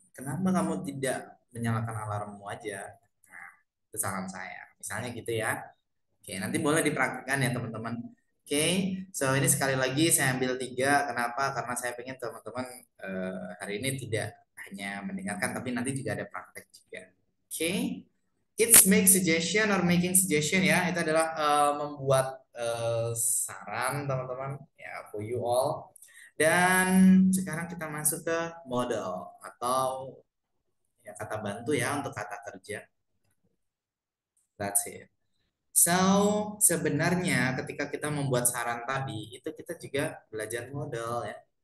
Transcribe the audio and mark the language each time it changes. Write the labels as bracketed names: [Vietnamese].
[Indonesian] Kenapa kamu tidak menyalakan alarmmu aja? Nah, itu saran saya. Misalnya gitu ya. Oke, nanti boleh dipraktikkan ya teman-teman. Oke, so ini sekali lagi saya ambil 3. Kenapa? Karena saya pengen teman-teman hari ini tidak hanya mendengarkan, tapi nanti juga ada praktek juga. [English] Oke, it's make suggestion or making suggestion ya. [Indonesian] Itu adalah membuat saran teman-teman ya [English] for you all. [Indonesian] Dan sekarang kita masuk ke modal atau ya, kata bantu ya untuk kata kerja. [English] That's it. [Indonesian] So, sebenarnya ketika kita membuat saran tadi, itu kita juga belajar modal ya.